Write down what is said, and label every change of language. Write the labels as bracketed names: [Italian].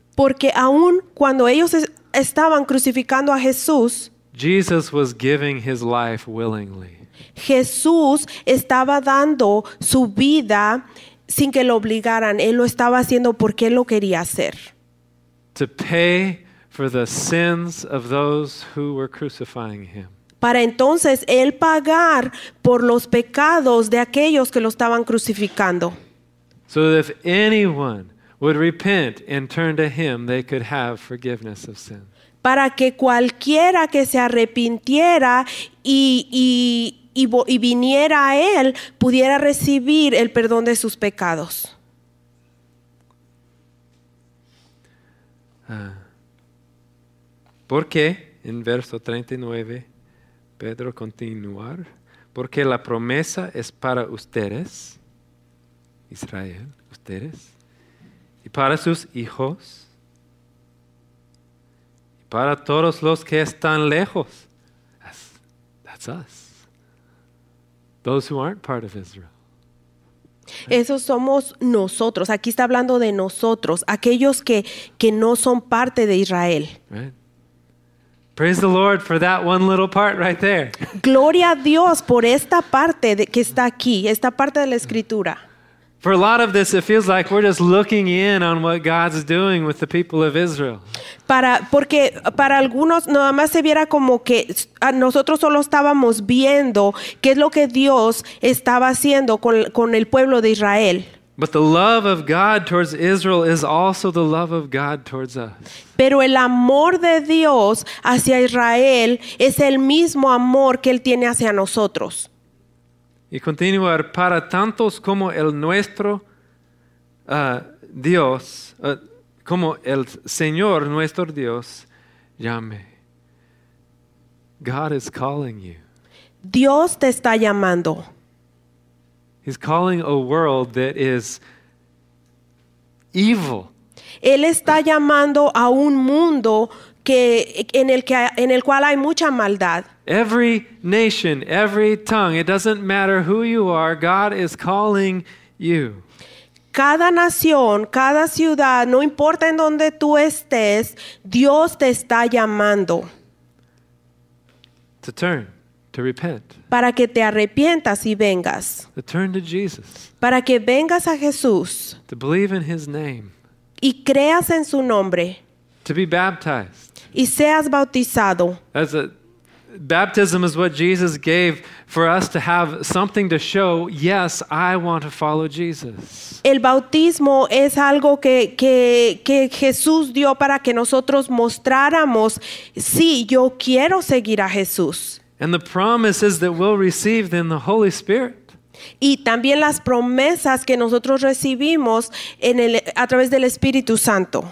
[Spanish] Porque aun cuando ellos estaban crucificando a Jesús, [English] Jesus was giving his life willingly. [Spanish] Jesús estaba dando su vida sin que lo obligaran. Él lo estaba haciendo porque él lo quería hacer. [English] To pay for the sins of those who were crucifying him. [Spanish] Para entonces él pagar por los pecados de aquellos que lo estaban crucificando. [English] So that if anyone would repent and turn to him, they could have forgiveness of sin. [Spanish] Para que cualquiera que se arrepintiera y viniera a él pudiera recibir el perdón de sus pecados. ¿Por qué? En verso 39, Pedro continuar. Porque la promesa es para ustedes. Israel, ustedes, y para sus hijos, y para todos los que están lejos. [English] That's us. Those who aren't part of Israel. [Spanish] Esos somos nosotros. Aquí está hablando de nosotros, aquellos que no son parte de Israel. [English] Right. Praise the Lord for that one little part right there. [Spanish] Gloria a Dios por esta parte que está aquí, esta parte de la Escritura. [English] For a lot of this, it feels like we're just looking in on what God's doing with the people of Israel. [Spanish] Porque para algunos nada más se viera como que nosotros solo estábamos viendo qué es lo que Dios estaba haciendo con el pueblo de Israel. [English] But the love of God towards Israel is also the love of God towards us. [Spanish] Pero el amor de Dios hacia Israel es el mismo amor que él tiene hacia nosotros. Y continuar, para tantos como el nuestro Dios, como el Señor nuestro Dios, llame. [English] God is calling you. [Spanish] Dios te está llamando. [English] He's calling a world that is evil. [Spanish] Él está llamando a un mundo en el cual hay mucha maldad. [English] Every nation, every tongue, it doesn't matter who you are, God is calling you. [Spanish] Cada nación, cada ciudad, no importa en donde tú estés, Dios te está llamando. [English] To turn, to repent. [Spanish] Para que te arrepientas y vengas. [English] To turn to Jesus. [Spanish] Para que vengas a Jesús. [English] To believe in his name. [Spanish] Y creas en su nombre. [English] To be baptized. [Spanish] Y seas bautizado. [English] Baptism is what Jesus gave for us to have something to show, yes, I want to follow Jesus. [Spanish] El bautismo es algo que Jesús dio para que nosotros mostráramos, sí, yo quiero seguir a Jesús. [English] And the promise is that we'll receive then the Holy Spirit. [Spanish] Y también las promesas que nosotros recibimos a través del Espíritu Santo.